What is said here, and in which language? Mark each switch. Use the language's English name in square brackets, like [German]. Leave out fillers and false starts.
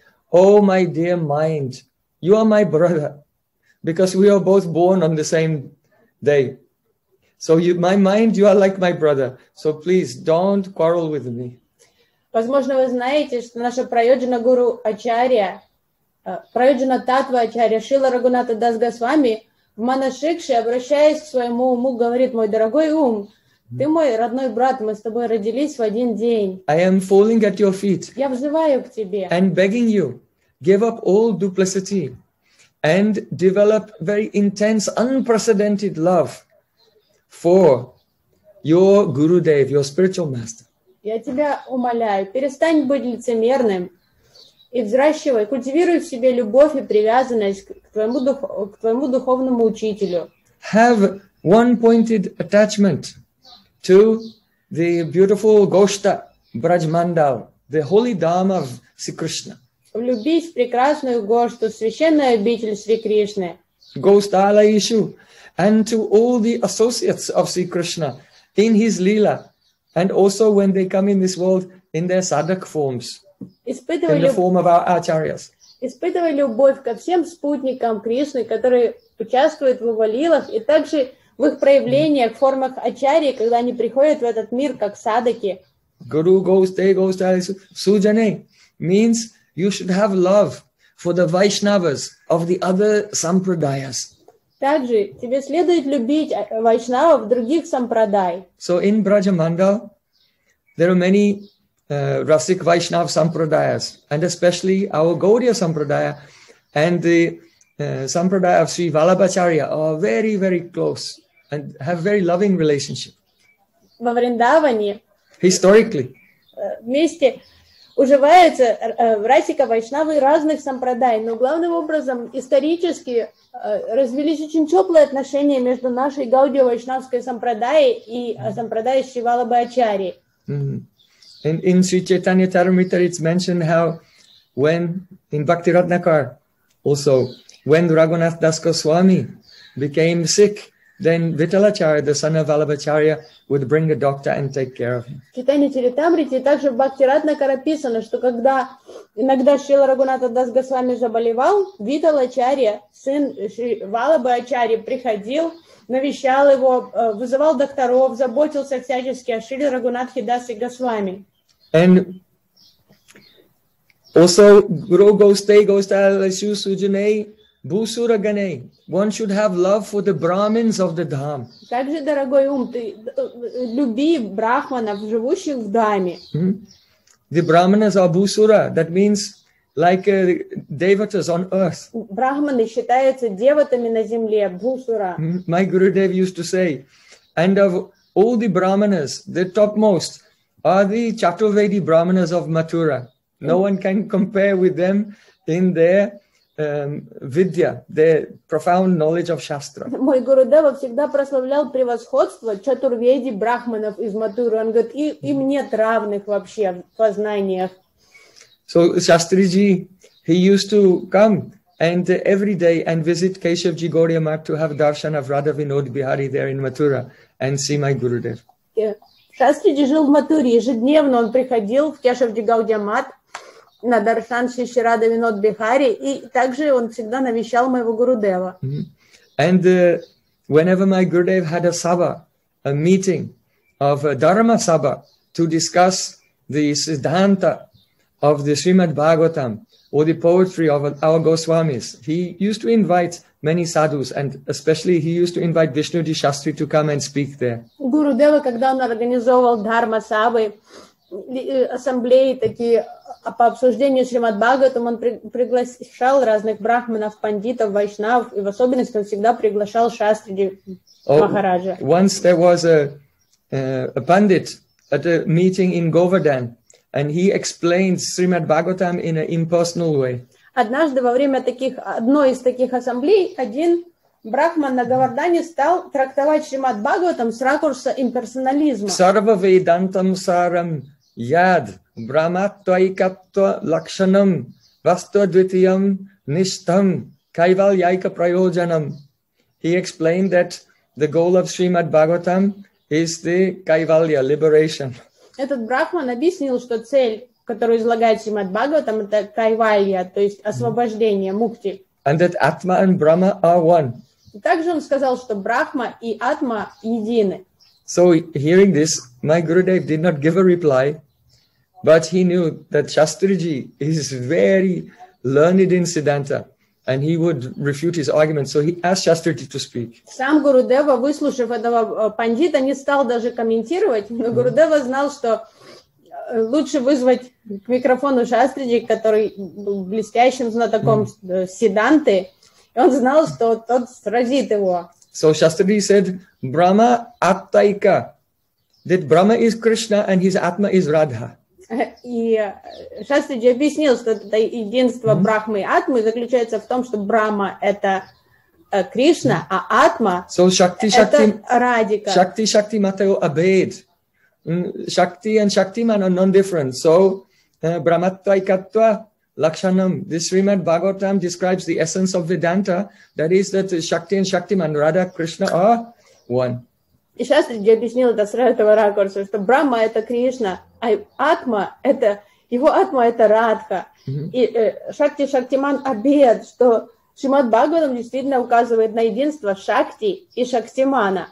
[English] Oh, my dear mind, you are my brother, because we are both born on the same day. So you, my mind, you are like my brother. So please don't quarrel with me. [Russian] Возможно, вы знаете, что наша Прайоджана Гуру Ачарья, Прайоджана Татва Ачарья, Шила Рагуната Дас Госвами, в Манашикше, обращаясь к своему уму, говорит, мой дорогой ум, ты мой родной брат, мы с тобой родились в один день. [English] I am falling at your feet. [Russian] Я взываю к тебе. [English] And begging you, give up all duplicity and develop very intense, unprecedented love for your Gurudev, your spiritual master. [Russian] Я тебя умоляю, перестань быть лицемерным и взращивай, культивируй в себе любовь и привязанность к твоему духовному учителю. [English] Have one-pointed attachment to the beautiful Goshta Brajmandal, the holy dharma of Sri Krishna. [Russian] Влюбись в прекрасную Гошту, священную обитель Сри Кришны. [English] Goshtala Ishu, and to all the associates of Sri Krishna in his Leela And also when they come in this world in their sadhak forms, [Russian] испытывая [English] in the form of our acharyas. [Russian] Испытывая любовь ко всем спутникам Кришны, которые участвуют в валилах, и также в их проявлениях, в формах ачарьи, когда они приходят в этот мир как садаки. [English] Guru goes, they goes to Ali Sujane means you should have love for the Vaishnavas of the other sampradayas. [Russian] Также тебе следует любить вайшнавов других сампрадай. [English] So in Brajamandal, there are many rasic Vaishnav sampradayas, and especially our Gaudiya sampradaya and the sampradaya of Sri Vallabhacharya are very, very close and have very loving relationship. [Russian] Во Вриндаване. [English] Historically. [Russian] Вместе уживаются расика вайшнавы разных сампрадай, но главным образом исторически развились очень теплые отношения между нашей Гаудия Вайшнавской сампрадай и сампрадай Шри Валабхачари. [English] In Sri Chaitanya Charitamrita, it's mentioned how when in Bhakti Ratnakar also when Raghunath Das Goswami became sick, then Vitalacharya, the son of Vallabhacharya, would bring a doctor and take care of him. [Russian] В Читании Чаритамрите также в Бхакти Ратнакар описано, что когда иногда Шрила Рагхунатха Дас Госвами заболевал, Виталачарья, сын Валлабхачарьи, приходил, навещал его, вызывал докторов, заботился всячески о Шриле Рагхунатхе Дас Госвами. [English] And also, Guru goes, they goes to Alasu Sujanei, Бусура Гане. One should have love for the Brahmins of the Dham. [Russian] Как же, дорогой ум, ты люби брахманов, живущих в Дхаме. [English] Mm-hmm. The Brahmanas are Бусура. That means like devatas on earth. [Russian] Брахманы считаются деватами на земле, Бусура. Mm-hmm. [English] My Gurudev used to say, and of all the Brahmanas, the topmost are the Chaturvedi Brahmanas of Mathura. No mm-hmm. one can compare with them in their vidya, the profound knowledge of Shastra. [Russian] Мой Гурудева всегда прославлял превосходство чатурведи брахманов из Матуры. Он говорит, им нет равных вообще в познаниях. [English] So Shastriji, he used to come and every day and visit Keshav Ji Gaudiya Math to have darshan of Radha Vinod Bihari there in Mathura and see my Gurudev. [Russian] Shastriji жил в Матуре. Ежедневно он приходил в Keshav Ji Gaudiya Math на даршан Шри Радха Винод Бихари, и также он всегда навещал моего Гурудева. Mm-hmm. [English] And whenever my Gurudev had a sabha, a meeting of a dharma sabha to discuss the siddhanta of the Srimad Bhagavatam or the poetry of our Goswamis, he used to invite many sadhus, and especially he used to invite Vishnu Ji Shastri to come and speak there. [Russian] Гурудева, когда он организовывал дарма сабы, ассамблеи такие, а по обсуждению Шримад Бхагаватам он приглашал разных брахманов, пандитов, вайшнав, и в особенности он всегда приглашал Шастриджи Махараджа. [English] Once there was a pandit at a meeting in Govardhan, and he explained Srimad Bhagavatam in an impersonal way. [Russian] Однажды во время одной из таких ассамблей один брахман на Говардане стал трактовать Шримад Бхагаватам с ракурса имперсонализма. [Sanskrit] Сарва вейдантам сарам яд брахматвайкатва лакшанам вастудвитиям ништам кайвальяйка прайоджанам. [English] He explained that the goal of Srimad Bhagavatam is the кайвалья, liberation. [Russian] Этот брахман объяснил, что цель, которую излагает Шримад Бхагаватам, это кайвалья, то есть освобождение, мукти. [English] And that атма and брахма are one. [Russian] Также он сказал, что брахма и атма едины. [English] So hearing this, my Gurudev did not give a reply, but he knew that Shastriji is very learned in Siddhanta, and he would refute his argument. So he asked Shastriji to speak. [Russian] Сам Гурудева, выслушав этого пандита, не стал даже комментировать, но Гурудева знал, что лучше вызвать к микрофону Шастриджи, который был блестящим знатоком Сидданты. Он знал, что тот сразит его. [English] So Shastriji said, Brahma Attaika. That Brahma is Krishna and his Atma is Radha. [Russian] И Шастриджи объяснил, что это единство Брахмы и Атмы заключается в том, что Брахма — это Кришна, а Атма — это Радика. [Sanskrit] Шакти, Шакти, Матео, Абед. [English] Шакти and Шактиман are non-different. So Брахматва и Каттва Lakshanam, this Srimad Bhagavatam describes the essence of Vedanta, that is that Shakti and Shaktiman, Radha, Krishna are one. [Russian] И Шастриджи объяснил это с этого ракурса, что Брахма — это Кришна, а Атма — это... Его Атма — это Радха. И Шакти Шактиман Абед, что Шримад Бхагаватам действительно указывает на единство Шакти и Шактимана.